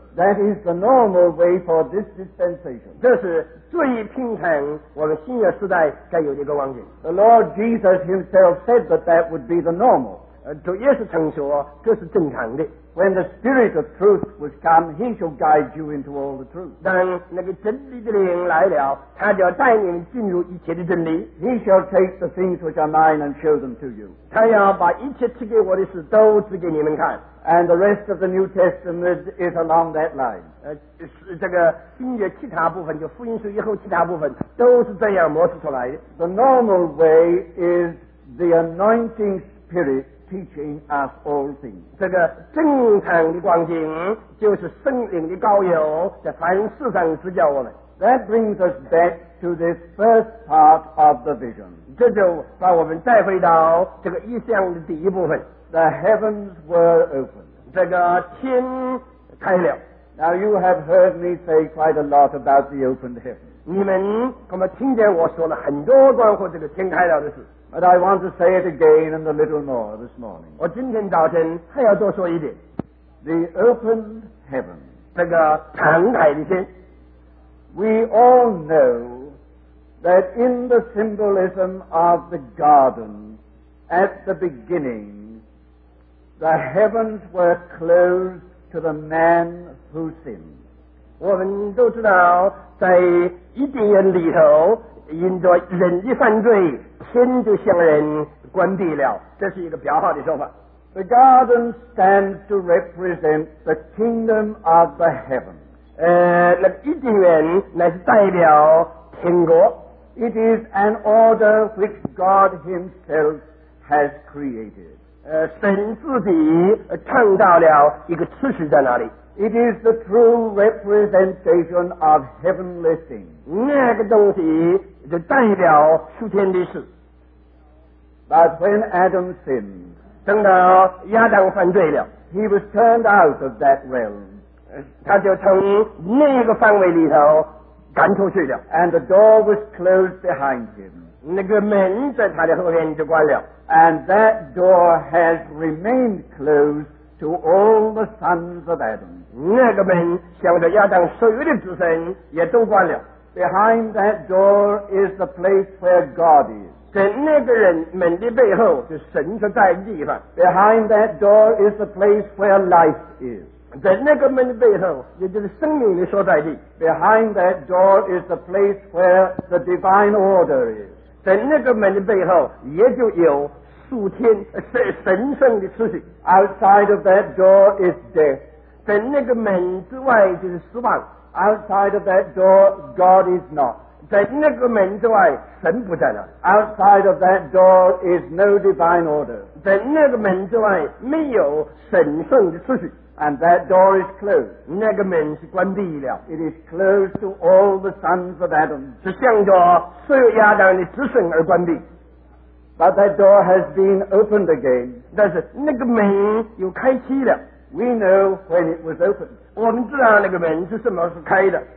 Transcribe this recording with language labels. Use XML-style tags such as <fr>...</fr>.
<en>That is the normal way for this dispensation.</en> <zh>这是最平常我们新约时代该有的一个光景。</zh> <en>The Lord Jesus himself said that that would be the normal.</en> <zh>主耶稣曾说这是正常的。</zh> <en>When the Spirit of truth was come, he shall guide you into all the truth.</en> <zh>当那个真理的灵来了，他就带你们进入一切的真理。</zh> <en>He shall take the things which are mine and show them to you.</en> <zh>他要把一切赐给我的事都指给你们看。</zh> <en>And the rest of the New Testament is along that line.</en> <zh>这个新约其他部分，就福音书以后其他部分，都是这样模式出来的。</zh> <en>The normal way is the anointing spirit teaching us all things.</en> <zh>这个正常的光景，就是圣灵的膏油在凡事上指教我们。</zh> <en>That brings us back to this first part of the vision.</en> <zh>这就把我们带回到这个意象的第一部分。</zh> <en>The heavens were opened.</en> <zh>这个天开了。</zh> <en>Now you have heard me say quite a lot about the opened heavens.</en> <zh>你们恐怕听见我说了很多关乎这个天开了的事。</zh> <en>But I want to say it again and a little more this morning.</en> <zh>我今天早晨还要多说一点。</zh> <en>The opened heavens.</en> <zh>这个敞开的天。</zh> <en>We all know that in the symbolism of the garden at the beginning, the heavens were closed to the man who sinned.</en> <zh>我们都知道在伊甸园里头因着人的犯罪天就向人关闭了，这是一个表号的说法。</zh> <en>The garden stands to represent the kingdom of the heavens.</en> <zh>那个伊甸园乃是代表天国。</zh> <en>It is an order which God himself has created.</en> <zh>神自己创造了一个秩序在那里。</zh> <en>It is the true representation of heavenly things.</en> <zh>那个东西就代表属天的事。</zh> <en>But when Adam sinned,</en> <zh>等到亚当犯罪了，</zh> <en>he was turned out of that realm.</en> <zh>他就从那个范围里头赶出去了。</zh> <en>And the door was closed behind him.</en> <zh>那个门在他的后面就关了。</zh> <en>And that door has remained closed to all the sons of Adam.</en> <zh>那个门向着亚当所有的子孙也都关了。</zh> <en>Behind that door is the place where God is.</en> <zh>在那个人门的背后是神所在的地方。</zh> <en>Behind that door is the place where life is.</en> <zh>在那个门的背后也就是生命的所在地。</zh> <en>Behind that door is the place where the divine order is.</en> <zh>在那个门的背后也就有属天神圣的秩序。</zh> <en>Outside of that door is death.</en> <zh>在那个门之外就是死亡。</zh> <en>Outside of that door, God is not.</en> <zh>在那个门之外，神不在了。</zh> <en>Outside of that door is no divine order.</en> <zh>在那个门之外，没有神圣的秩序。</zh> <en>And that door is closed.</en> <zh>那个门是关闭了。</zh> <en>It is closed to all the sons of Adam.</en> <zh>是向着所有亚当的子孙而关闭。</zh> <en>But that door has been opened again.</en> <zh>但是那个门又开启了。</zh> <en>We know when it was opened.</en> <zh>我们知道那个门是什么时候开的。</zh>